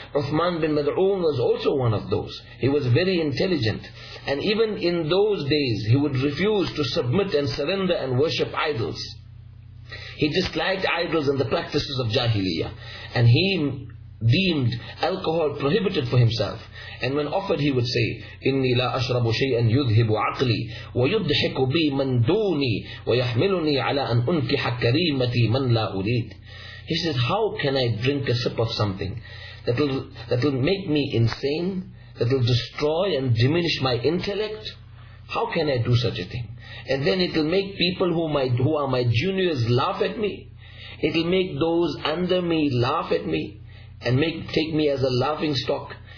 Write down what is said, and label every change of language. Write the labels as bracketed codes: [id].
[en] Uthman bin Mal'un was also one of those. He was very intelligent. And even in those days, he would refuse to submit and surrender and worship idols. He disliked idols and the practices of Jahiliyyah. And he deemed alcohol prohibited for himself. And when offered, he would say, [ar] إِنِّي لَا أَشْرَبُ شَيْئًا يُذْهِبُ عَقْلِي وَيُضْحِكُ بِي مَنْ دُونِي وَيَحْمِلُنِي عَلَىٰ أَنْ أُنْكِحَ كَرِيمَتِي مَنْ لَا أُرِيدُ. [en] He says, how can I drink a sip of something that will make me insane, that will destroy and diminish my intellect? How can I do such a thing? And then it will make people who are my juniors laugh at me. It will make those under me laugh at me and take me as a laughing stock.